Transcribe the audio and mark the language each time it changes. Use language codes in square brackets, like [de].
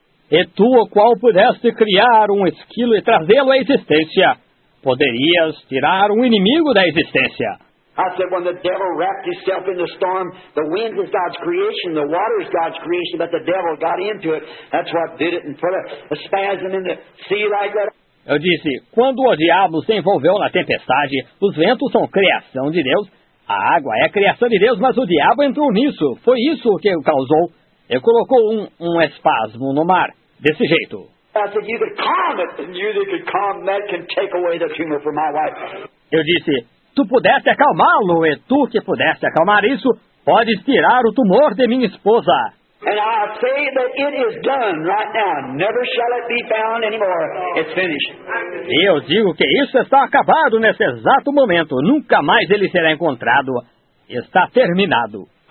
[pt] E tu, o qual pudeste criar um esquilo e trazê-lo à existência, poderias tirar um inimigo da existência. [en] I said, when the devil wrapped himself in the storm, the wind is God's creation, the water is God's creation, but the devil got into it. That's what did it and put a spasm in the sea like that. [pt] Eu disse, quando o diabo se envolveu na tempestade, os ventos são criação de Deus, a água é a criação de Deus, mas o diabo entrou nisso. Foi isso que o causou. Ele colocou um espasmo no mar, desse jeito. [en] I said, you could calm it, and you could calm that can take away the tumor from my wife. [pt] Eu disse, tu pudeste acalmá-lo, e tu que pudeste acalmar isso, podes tirar o tumor de minha esposa. [en] And I say that it is done right now. Never shall it be found anymore. It's finished. [pt] E eu digo que isso está acabado nesse exato momento. Nunca mais ele será encontrado. Está terminado.